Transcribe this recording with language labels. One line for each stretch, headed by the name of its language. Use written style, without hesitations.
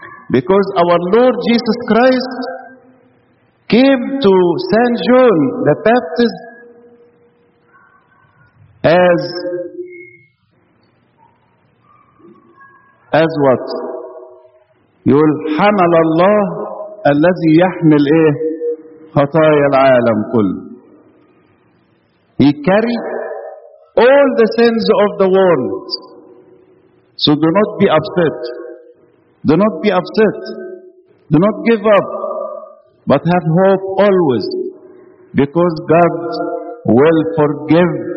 English: Because our Lord Jesus Christ came to Saint John the Baptist as what?
Arabic: يقول حمل الله الذي يحمل إيه خطايا العالم كل.
English: He carried all the sins of the world. So do not be upset. Do not be upset. Do not give up. But have hope always. Because God will forgive